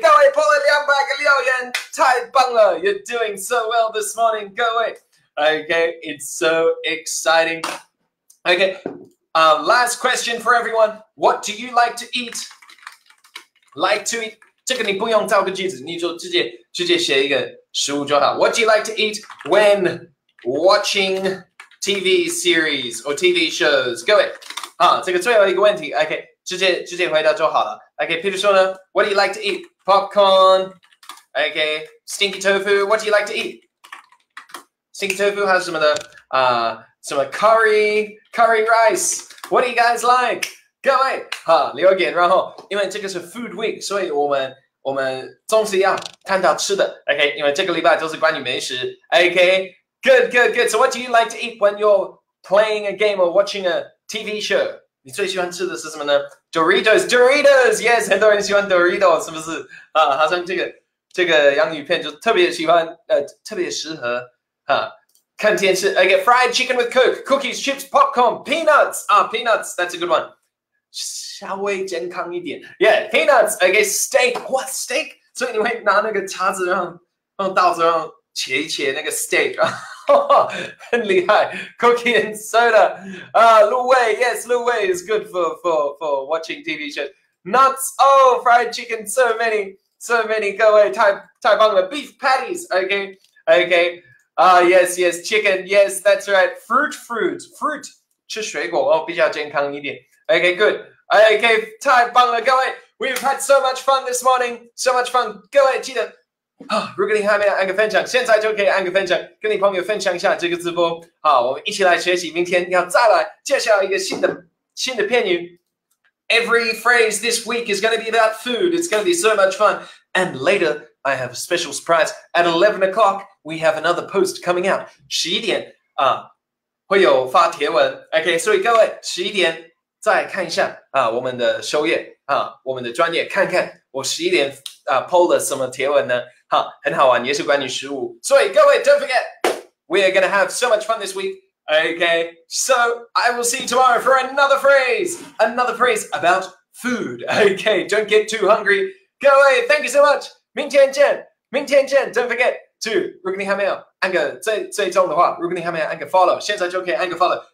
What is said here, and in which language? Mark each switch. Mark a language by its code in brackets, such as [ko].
[zh] 各位破了200个留言，太棒了 ！ [en] You're doing so well this morning. 各位 ，Okay, it's so exciting. Okay. Last question for everyone. What do you like to eat? Like to eat? [zh] 这个你不用造个句子，你就直接写一个食物就好。 [en] What do you like to eat when watching TV series or TV shows? [zh] 各位，啊，这个最后一个问题 ，OK， 直接回答就好了。 [en] OK， 譬如说呢 ，What do you like to eat? Popcorn. OK, stinky tofu. What do you like to eat? Stinky tofu [zh] 还是什么的啊？ [en] 什么 curry rice? What do you guys like? [zh] 各位哈留言，然后因为这个是 food week， 所以我们总是要看到吃的。 OK， 因为这个礼拜都是关于美食。 [en] OK， good good good. So what do you like to eat when you're playing a game or watching a TV show? [zh] 你最喜欢吃的是什么呢 ？Doritos. Yes， 很多人喜欢 Doritos， 是不是？啊，好像这个洋芋片就特别喜欢，特别适合哈。 [en] 看电视 ，OK， fried chicken with Coke, cookies, chips, popcorn, peanuts. Ah, peanuts, that's a good one. [zh] 稍微健康一点 [en] ，Yeah, peanuts. OK, steak. What steak? [zh] 所以你会拿那个叉子让，用刀子让切一切那个 steak， 很厉害。 [en] Cookie and soda. Ah, 卤味 ，Yes, 卤味 is good for watching TV shows. Nuts. Oh, fried chicken. So many. [zh] 各位太棒了。 [en] Beef patties. OK. Ah, yes, yes, chicken, yes, that's right. [zh] Fruit, 吃水果哦，比较健康一点。Okay, good. Okay, 太棒了，各位。 [en] We've had so much fun this morning, so much fun. [zh] 各位记得，如果你还没有按个分享，现在就可以按个分享，跟你朋友分享一下这个直播。好，我们一起来学习，明天要再来介绍一个新的片语。 [en] Every phrase this week is going to be about food. It's going to be so much fun. And later, I have a special surprise at 11 o'clock. We have another post coming out. [zh] 十一点啊，会有发帖文。 OK， 所以各位十一点再看一下啊，我们的首页啊，我们的专页，看看我十一点啊 PO 了什么帖文呢？哈，很好玩，也是关于食物。 [en] 所以各位 ，Don't forget， we are gonna have so much fun this week. OK， so I will see you tomorrow for another phrase about food. OK， don't get too hungry. 各位 ，Thank you so much. [zh] 明天见 ， [en] Don't forget. [zh] 如果你还没有按个最重的话，如果你还没有按个 follow， 现在就可以按个 follow。